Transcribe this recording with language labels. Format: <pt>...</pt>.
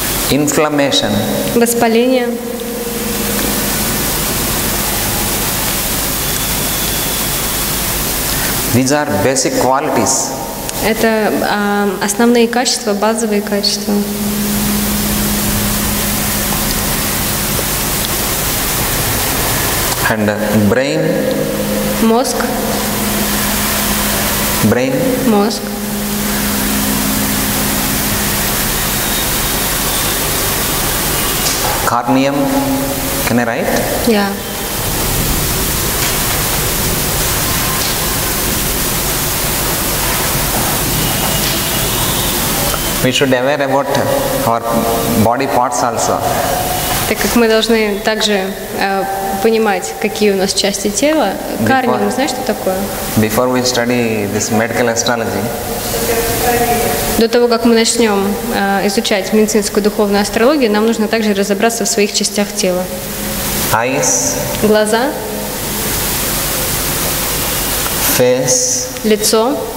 <en>Inflammation.</en> <ru>Воспаление.</ru> <en>These are basic qualities.</en> <ru>Это основные качества, базовые качества.</ru> <en>And brain.</en> <ru>Мозг.</ru> <en>Brain.</en> <ru>Мозг.</ru> <en>Cardium, can I write? Yeah. We should aware about our body parts also.</en> <ru>Так как мы должны также понимать, какие у нас части тела. Кардиум, знаешь, что такое?</ru> <en>Before we study this medical astrology.</en> <ru>До того, как мы начнем изучать медицинскую духовную астрологию, нам нужно также разобраться в своих частях тела.</ru> <en>Eyes.</en> <ru>Глаза.</ru> <en>Face.</en> <ru>Лицо.</ru>